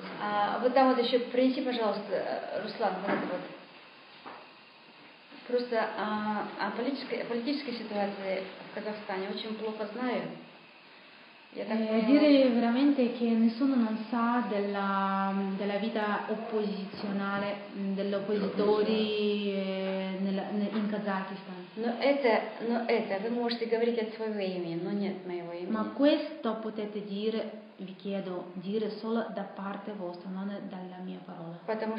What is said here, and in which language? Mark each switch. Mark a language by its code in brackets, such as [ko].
[ru] А вот там вот еще принеси, пожалуйста, Руслан, вот это вот. Просто политической ситуации в Казахстане очень плохо знаю. [it] Dire veramente che nessuno non sa della vita opposizionale degli oppositori in Kazakistan. [ru] Voi можете говорить от своего имени, но нет моего имени. [it] Ma questo potete dire, vi chiedo, dire solo da parte vostra, non dalla mia parola.